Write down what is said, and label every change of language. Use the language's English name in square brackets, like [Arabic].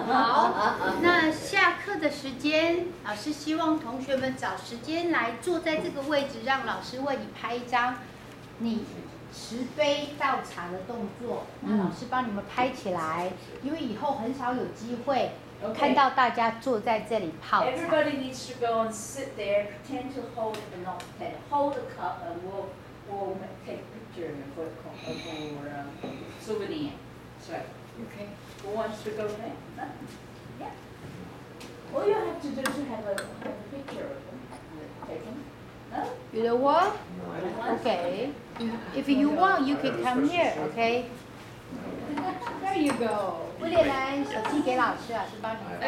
[Chinese] 好，那下课的时间，老师希望同学们找时间来坐在这个位置，让老师为你拍一张你持杯倒茶的动作，那老师帮你们拍起来，因为以后很少有机会看到大家坐在这里泡茶。 [English] Okay. Everybody needs to go and sit there, pretend to hold the notepad, hold the cup, and we'll take a picture of our souvenir. Sorry. Okay. Who wants to go next? Yeah. All you have to do is have a picture taken. No? You know what? Okay. If you want, you can come here, okay? There you go. [Chinese] 威廉来，手机给老师，老师帮你拍。